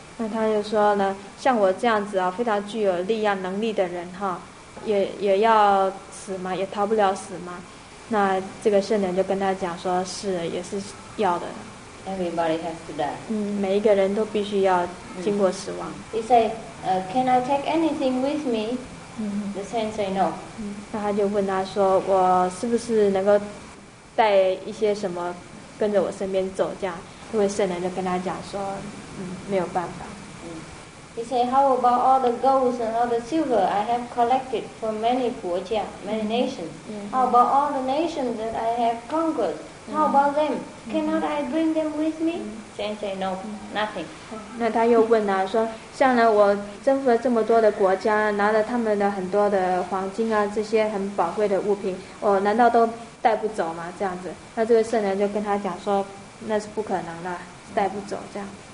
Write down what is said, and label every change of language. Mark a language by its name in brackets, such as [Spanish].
[Chinese] 那他就说呢，像我这样子啊，非常具有力量能力的人哈。也要死嘛，也逃不了死嘛。那这个圣人就跟他讲说，是，也是要的。 [English] Everybody has to die. [Chinese] 每一个人都必须要经过死亡。 [English] He said, can I take anything with me? The saint said no. [Chinese] 那他就问他说，我是不是能够带一些什么跟着我身边走这样？因为圣人就跟他讲说，没有办法。 [English] He said, how about all the gold and all the silver I have collected from many [Chinese] 国家, [English] many nations? How about all the nations that I have conquered? How about them? Cannot I bring them with me? Chen said, no, nothing. [Chinese] 那他又问啊，说， 像呢，我征服了这么多的国家， 拿了他们的很多的黄金啊， 这些很宝贵的物品， 我难道都带不走吗？这样子。那这个圣人就跟他讲说， 那是不可能的， 带不走这样。